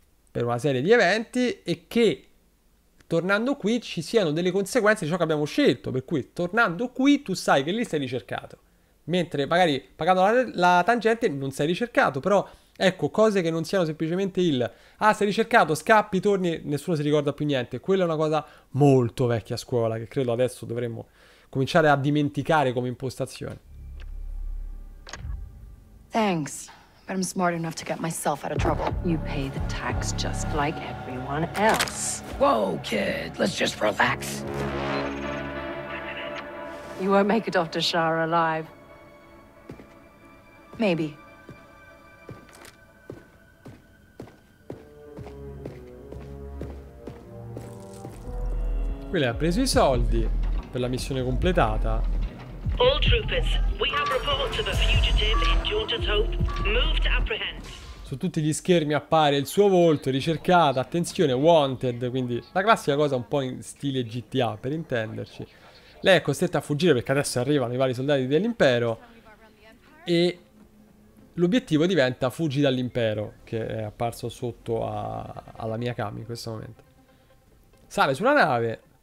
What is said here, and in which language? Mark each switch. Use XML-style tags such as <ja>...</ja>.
<it>per una serie di eventi e che tornando qui ci siano delle conseguenze di ciò che abbiamo scelto, per cui tornando qui tu sai che lì sei ricercato, mentre magari pagando la tangente non sei ricercato. Però ecco, cose che non siano semplicemente il ah sei ricercato, scappi, torni, nessuno si ricorda più niente. Quella è una cosa molto vecchia scuola che credo adesso dovremmo cominciare a dimenticare come impostazione.</it> <en>Thanks. But I'm smart enough to get myself out of trouble. You pay the tax just like everyone else. Whoa, kid, let's just relax. You won't make it off to Shara alive. Maybe.</en> <it>Quindi ha preso i soldi per la missione completata.</it> <en>All troopers, we have reports of a fugitive in Jaunted Hope. Move to apprehend.</en> <it>Su tutti gli schermi appare il suo volto, ricercata, attenzione,</it> <en>wanted,</en> <it>quindi la classica cosa un po' in stile GTA, per intenderci. Lei è costretta a fuggire perché adesso arrivano i vari soldati dell'impero e l'obiettivo diventa fuggi dall'impero, che è apparso sotto alla mia cam in questo momento. Sale sulla nave.</it>